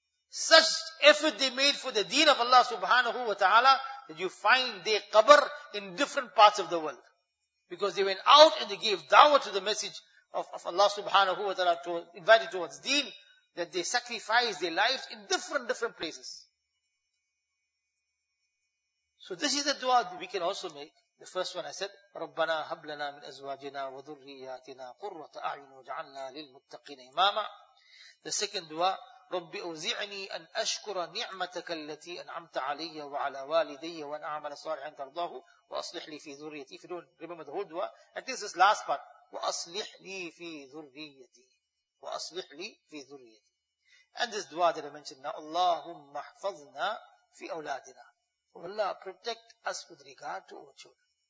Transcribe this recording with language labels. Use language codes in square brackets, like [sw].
[en] Such effort they made for the deen of Allah subhanahu wa ta'ala that you find their qabr in different parts of the world. Because they went out and they gave dawah to the message of Allah subhanahu wa ta'ala invited towards deen, that they sacrificed their lives in different places. So this is the dua that we can also make. The first one I said, [ar] رَبَّنَا هَبْلَنَا مِنْ أَزْوَاجِنَا وَذُرِّيَاتِنَا قُرَّةَ أَعْيُنُ وَجَعَلْنَا لِلْمُتَّقِينَ إِمَامًا. [en] The second dua, [ar] رَبِّ أَوْزِعْنِي أَنْ أَشْكُرَ نِعْمَتَكَ الَّتِي أَنْعَمْتَ عَلَيَّ وَعَلَى وَالِدَيَّ وَأَنْ أَعْمَلَ صَالِحًا تَرْضَاهُ وَأَصْلِحْ لِي فِي ذُرِّيَّتِي. [en] If you don't remember the whole dua, and this is last part, [ar] وَأَصْلِحْ لِي فِي ذُرِّيَّتِي [en] وَأَصْلِحْ لِي فِي ذُرِّيَّتِي. And this dua that I mentioned now, [ar] اللَّهُمَّ احْفَظْنَا فِي أَوْلَادِنَا. [en] Oh Allah, protect us with regard to our children.